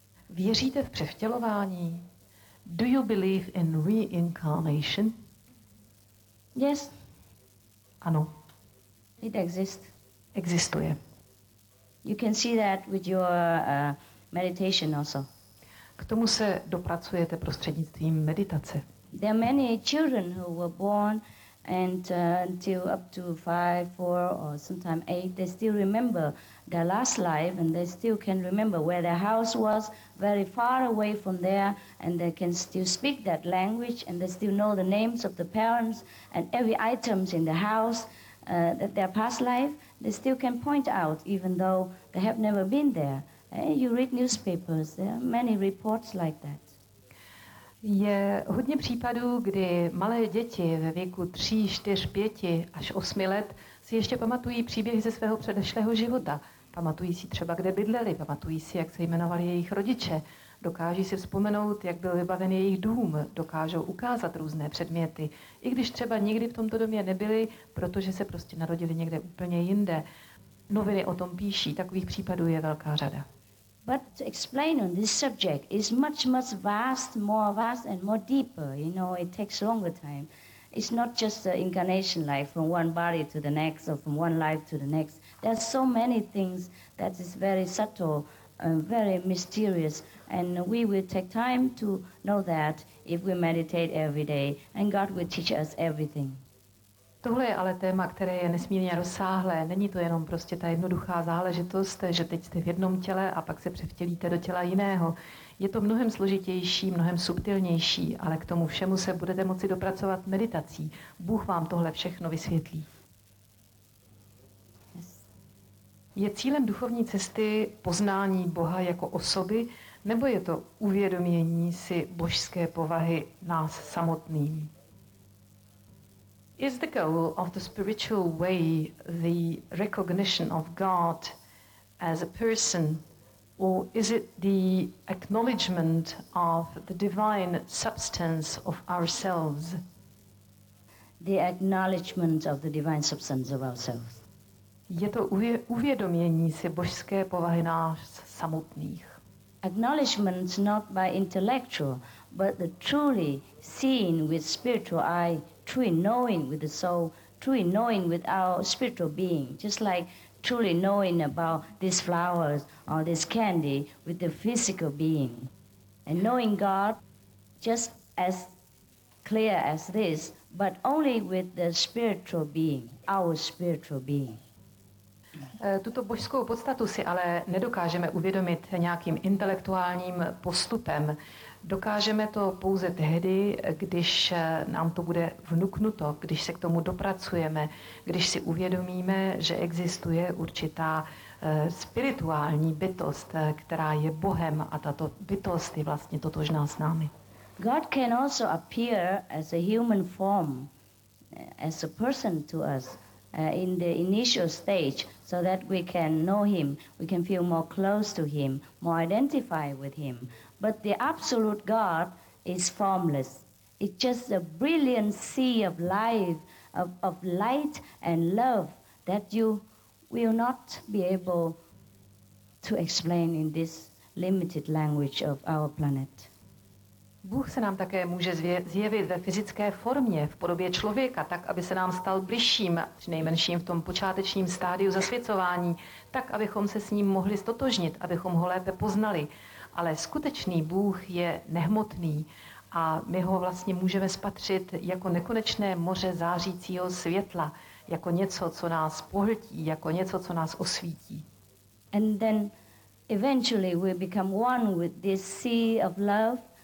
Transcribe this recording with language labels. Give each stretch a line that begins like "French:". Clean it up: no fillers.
Czech: Věříte v převtělování?
English: Do you believe in reincarnation? Yes.
Czech: Ano.
English: It exists.
Czech: Existuje.
English: You can see that with your meditation also.
Czech: K tomu se dopracujete prostřednictvím meditace.
English: There are many children who were born and until up to 5, 4 or sometimes 8, they still remember their last life and they still can remember where their house was, very far away from there, and they can still speak that language and they still know the names of the parents and every items in the house that their past life, they still can point out even though they have never been there. And you read newspapers, there are many reports like that.
Czech: Je hodně případů, kdy malé děti ve věku 3, 4, 5 až 8 let si ještě pamatují příběhy ze svého předešlého života. Pamatují si třeba, kde bydleli, pamatují si, jak se jmenovali jejich rodiče. Dokáží si vzpomenout, jak byl vybaven jejich dům. Dokážou ukázat různé předměty. I když třeba nikdy v tomto domě nebyli, protože se prostě narodili někde úplně jinde. Noviny o tom píší, takových případů je velká řada.
English: But to explain on this subject is much vast, more vast and more deeper. You know, it takes longer time. It's not just the incarnation life from one body to the next or from one life to the next. There are so many things that is very subtle, very mysterious. And we will take time to know that if we meditate every day. And God will teach us everything.
Czech: Tohle je ale téma, které je nesmírně rozsáhlé. Není to jenom prostě ta jednoduchá záležitost, že teď jste v jednom těle a pak se převtělíte do těla jiného. Je to mnohem složitější, mnohem subtilnější, ale k tomu všemu se budete moci dopracovat meditací. Bůh vám tohle všechno vysvětlí. Je cílem duchovní cesty poznání Boha jako osoby, nebo je to uvědomění si božské povahy nás samotným?
English: Is the goal of the spiritual way the recognition of God as a person, or is it the acknowledgement of the divine substance of ourselves? The acknowledgement of the divine substance of ourselves.
Czech: Je to uvědomění si božské povahy nás samotných.
English: Acknowledgement not by intellectual, but the truly seeing with spiritual eye, truly knowing with the soul, truly knowing with our spiritual being, just like truly knowing about these flowers or this candy with the physical being. And knowing God just as clear as this, but only with the spiritual being, our spiritual being.
Czech: Tuto božskou podstatu si ale nedokážeme uvědomit nějakým intelektuálním postupem. Dokážeme to pouze tehdy, když nám to bude vnuknuto, když se k tomu dopracujeme, když si uvědomíme, že existuje určitá spirituální bytost, která je Bohem, a tato bytost je vlastně totožná s námi.
English: God can also appear as a human form, as a person to us. In the initial stage, so that we can know him, we can feel more close to him, more identify with him. But the absolute God is formless. It's just a brilliant sea of life, of light and love that you will not be able to explain in this limited language of our planet.
Czech: Bůh se nám také může zjevit ve fyzické formě, v podobě člověka, tak, aby se nám stal bližším, přinejmenším v tom počátečním stádiu zasvěcování, tak, abychom se s ním mohli ztotožnit, abychom ho lépe poznali. Ale skutečný Bůh je nehmotný a my ho vlastně můžeme spatřit jako nekonečné moře zářícího světla, jako něco, co nás pohltí, jako něco, co nás osvítí.
English: And then eventually we become one with this sea of love.